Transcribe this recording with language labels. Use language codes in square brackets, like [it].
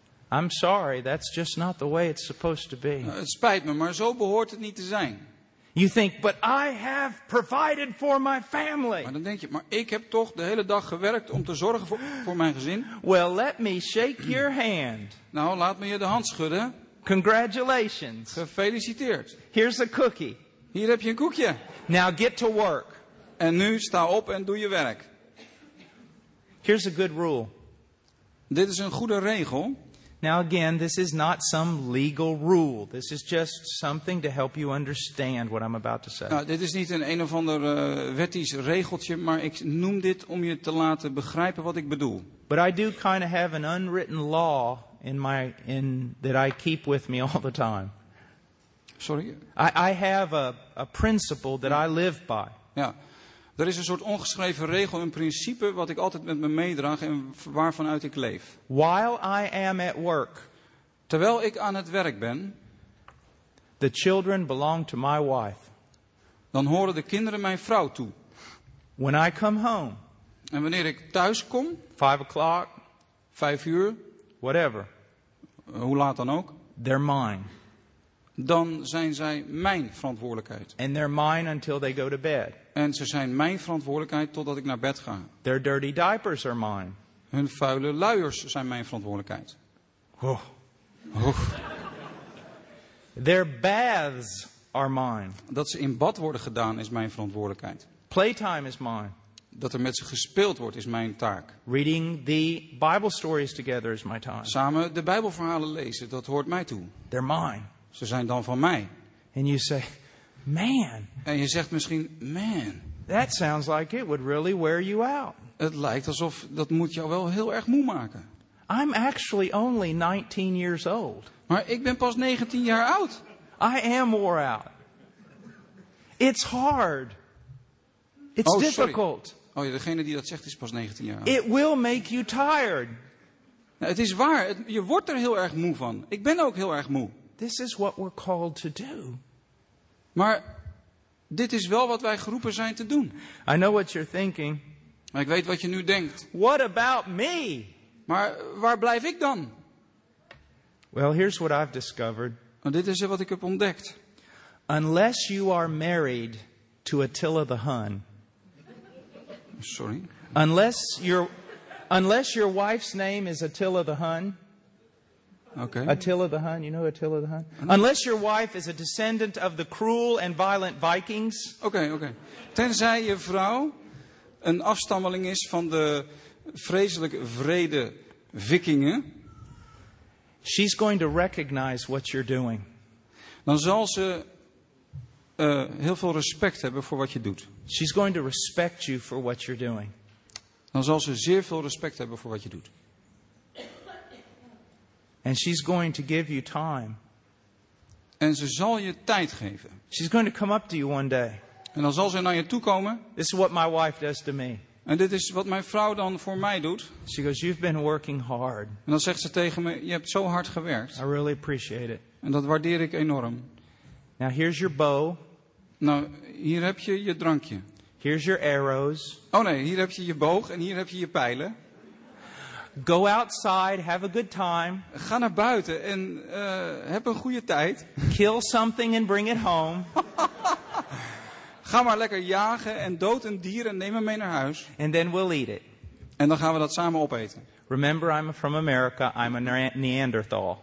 [en] I'm sorry, that's just not the way it's supposed to be. [nl] Het spijt me, maar zo behoort het niet te zijn. [en] You think, but I have provided for my family. [nl] Maar dan denk je, maar ik heb toch de hele dag gewerkt om te zorgen voor mijn gezin. [en] Well, let me shake your hand. [nl] Nou, laat me je de hand schudden. [en] Congratulations. [nl] Gefeliciteerd. [en] Here's a cookie. [nl] Hier heb je een koekje. [en] Now get to work. [nl] En nu sta op en doe je werk. [en] Here's a good rule. [nl] Dit is een goede regel. [en] Now again, this is not some legal rule. This is just something to help you understand what I'm about to say. [nl] Nou, dit is niet een of ander wettisch regeltje, maar ik noem dit om je te laten begrijpen wat ik bedoel. [en] But I do kind of have an unwritten law in that I keep with me all the time. [nl] Sorry? [en] I have a principle that I live by. [nl] Ja. Er is een soort ongeschreven regel, een principe wat ik altijd met me meedraag en waarvanuit ik leef. [en] While I am at work, [nl] terwijl ik aan het werk ben, [en] the children belong to my wife. [nl] Dan horen de kinderen mijn vrouw toe. [en] When I come home, [nl] en wanneer ik thuis kom, [en] 5 o'clock, [nl] 5 uur, [en] whatever, [nl] hoe laat dan ook, [en] they're mine. [nl] Dan zijn zij mijn verantwoordelijkheid. [en] And they're mine until they go to bed. [nl] En ze zijn mijn verantwoordelijkheid totdat ik naar bed ga. [en] Their dirty diapers are mine. [nl] Hun vuile luiers zijn mijn verantwoordelijkheid. Oh. Oh. [en] Their baths are mine. [nl] Dat ze in bad worden gedaan is mijn verantwoordelijkheid. [en] Playtime is mine. [nl] Dat er met ze gespeeld wordt is mijn taak. [en] Reading the Bible stories together is my time. [nl] Samen de Bijbelverhalen lezen, dat hoort mij toe. [en] They're mine. [nl] Ze zijn dan van mij. [en] And you say, man. [nl] En je zegt misschien, man. [en] That sounds like it would really wear you out. [nl] Het lijkt alsof dat moet jou wel heel erg moe maken. [en] I'm actually only 19 years old. [nl] Maar ik ben pas 19 jaar oud. [en] I am wore out. It's hard. It's difficult. [nl] Sorry. Oh ja, degene die dat zegt is pas 19 jaar oud. [en] It will make you tired. [nl] Nou, het is waar. Je wordt er heel erg moe van. Ik ben ook heel erg moe. [en] This is what we're called to do. [nl] Maar dit is wel wat wij geroepen zijn te doen. [en] I know what you're thinking. [nl] Maar ik weet wat je nu denkt. [en] What about me? [nl] Maar waar blijf ik dan? [en] Well, here's what I've discovered. [nl] En dit is wat ik heb ontdekt. [en] Unless you are married to Attila the Hun. [nl] Sorry. [en] Unless your wife's name is Attila the Hun. [nl] Okay. [en] Attila the Hun, you know Attila the Hun? Unless your wife is a descendant of the cruel and violent Vikings. [nl] Okay. Tenzij je vrouw een afstammeling is van de vreselijk wrede Vikingen. [en] She's going to recognize what you're doing. [nl] Dan zal ze heel veel respect hebben voor wat je doet. [en] She's going to respect you for what you're doing. [nl] Dan zal ze zeer veel respect hebben voor wat je doet. [en] And she's going to give you time. [nl] En ze zal je tijd geven. [en] She's going to come up to you one day. [nl] En dan zal ze naar je toe komen. [en] This is what my wife does to me. [nl] En dit is wat mijn vrouw dan voor mij doet. [en] She goes, you've been working hard. [nl] En dan zegt ze tegen me, je hebt zo hard gewerkt. [en] I really appreciate it. [nl] En dat waardeer ik enorm. [en] Now here's your bow. [nl] Nou, hier heb je je drankje. [en] Here's your arrows. [nl] Oh nee, hier heb je je boog en hier heb je je pijlen. [en] Go outside, have a good time. [nl] Ga naar buiten en heb een goede tijd. [en] Kill something and bring it home. [nl] Ga maar lekker jagen en dood een dier en neem hem mee naar huis. [en] And then we'll eat it. [nl] En dan gaan we dat samen opeten. [en] Remember, I'm from America, I'm a Neanderthal.